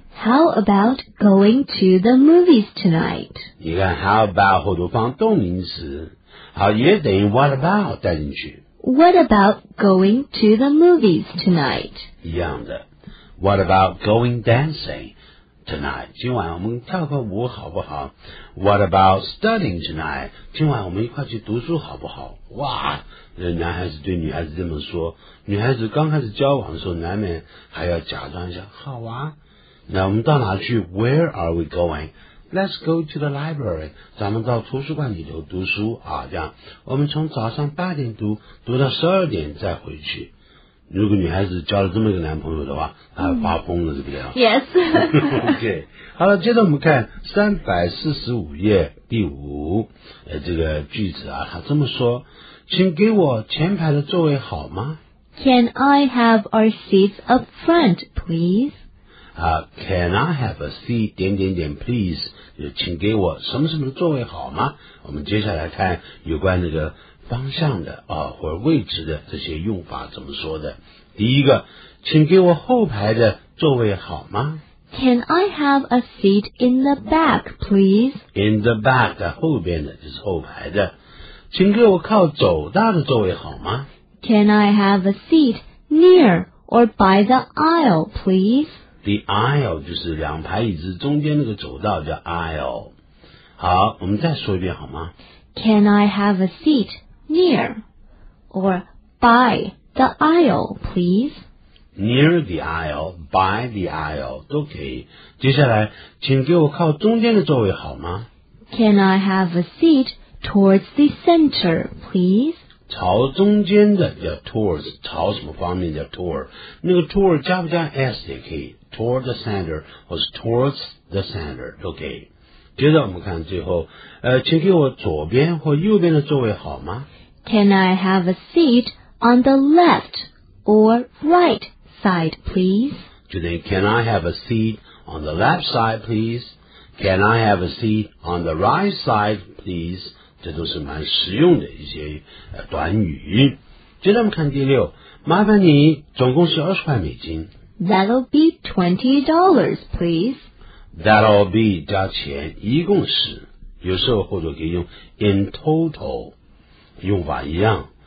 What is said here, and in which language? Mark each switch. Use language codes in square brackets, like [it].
[en] How about going to the movies tonight? [zh] 你看 how about 后头放动名词，好，也等于 what about 带进去。 [en] What about going to the movies tonight? [zh] 一样的。 [en] What about going dancing tonight? [zh] 今晚我们跳个舞好不好？ [en] What about studying tonight? [zh] 今晚我们一块去读书好不好？哇，男孩子对女孩子这么说，女孩子刚开始交往的时候，难免还要假装一下，好啊。那我们到哪去 ？ [en] Where are we going? Let's go to the library. [zh] 咱们到图书馆里头读书啊，这样我们从早上八点读到十二点再回去。如果女孩子交了这么一个男朋友的话，她发疯了，对不对 [en] ？Yes. OK. [zh] 好了，接着我们看345页第五这个句子啊，她这么说：请给我前排的座位好吗 [en] ？Can I have our seats up front, please? Can I have a seat? [zh] 点点点 please, 就请给我什么什么座位好吗？我们接下来看有关这个方向的啊或者位置的这些用法怎么说的。第一个，请给我后排的座位好吗？ [en] Can I have a seat in the back, please? In the back, [zh] 在后边的就是后排的。请给我靠走道的座位好吗？ [en] Can I have a seat near or by the aisle, please? [zh] The aisle 就是两排椅子中间那个走道叫 aisle。好，我们再说一遍好吗 [en] ？Can I have a seat near or by the aisle, please? Near the aisle, by the aisle [zh] 都可以。接下来，请给我靠中间的座位好吗 [en] ？Can I have a seat towards the center, please? [zh] 朝中间的叫 towards， 朝什么方面叫 toward， 那个 toward 加不加 s 也可以 [en] toward the center [zh] 或是 [en] towards the center [zh] 都可以。接着我们看最后，请给我左边或右边的座位好吗 [en] ？Can I have a seat on the left or right side, please？就等于 Can I have a seat on the left side, please？ Can I have a seat on the right side, please？ [zh] 这都是蛮实用的一些短语。接着我们看第六，麻烦你，总共是二十块美金。 [en] That'll be $20, please. [zh] That'll be 加钱，一共是。有时候或者可以用 in total， 用法一样。